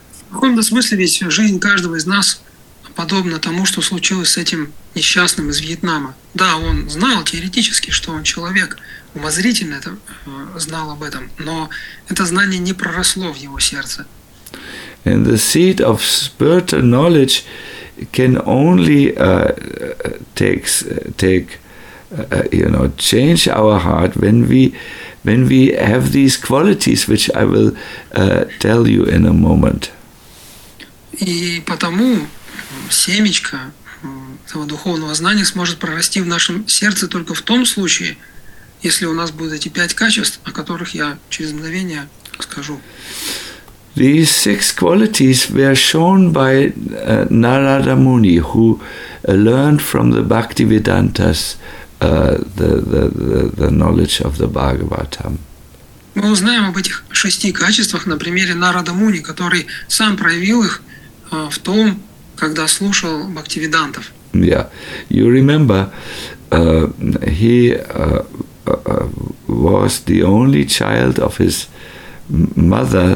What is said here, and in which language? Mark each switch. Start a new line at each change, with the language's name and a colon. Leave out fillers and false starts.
Russian: В каком-то смысле ведь жизнь каждого из нас подобна тому, что случилось с этим несчастным из Вьетнама. Да, он знал теоретически, что он человек. Умозрительно это знал об этом, но это знание не проросло в его сердце.
English: And the seed of spiritual knowledge can only change our heart when we have these qualities, which I will tell you in a moment.
Russian: И потому семечко этого духовного знания сможет прорасти в нашем сердце только в том случае, если у нас будут эти пять качеств, о которых я через мгновение скажу.
English: These six qualities were shown by Narada Muni, who learned from the Bhaktivedantas the knowledge of the Bhagavatam.
Russian: Мы узнаем об этих шести качествах на примере Нарада Муни, который сам проявил их в том, когда слушал Бхактивидантов.
English: Yeah, you remember, he was the only child of his mother.